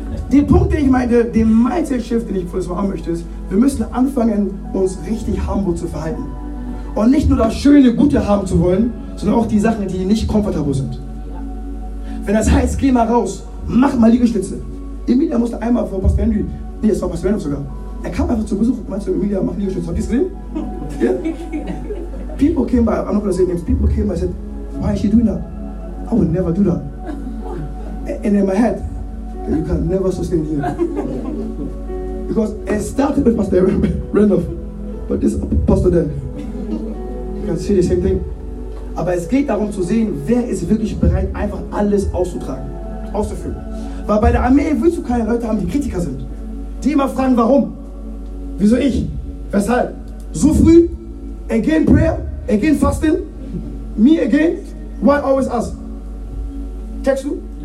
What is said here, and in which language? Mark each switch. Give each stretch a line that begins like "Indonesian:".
German: Den Punkt, den ich meinte, den Mindset-Shift, den ich vorhin machen möchte, ist, wir müssen anfangen, uns richtig harmlos zu verhalten. Und nicht nur das schöne, gute haben zu wollen, sondern auch die Sachen, die nicht komfortabel sind. Wenn das heißt, geh mal raus, mach mal Liegestütze. Emilia musste einmal vor Pastor Henry, nee, es war Pastor Henry sogar, er kam einfach zu Besuch und meinte, Emilia, mach Liegestütze. Habt ihr es gesehen? Yeah?
English: People came by, I'm not gonna say names, people came by, said, why are you doing that? I would never do that. And in my head, you can never sustain here. Because it started with Pastor Randolph, but this pastor there. You can see the same thing.
German: Aber es geht darum zu sehen, wer ist wirklich bereit, einfach alles auszutragen, auszuführen. Weil bei der Armee willst du keine Leute haben, die Kritiker sind. Die immer fragen, warum? Wieso ich? Weshalb? So früh?
English: Again prayer? Again fasting? Me again? Why always us?
German: Text du?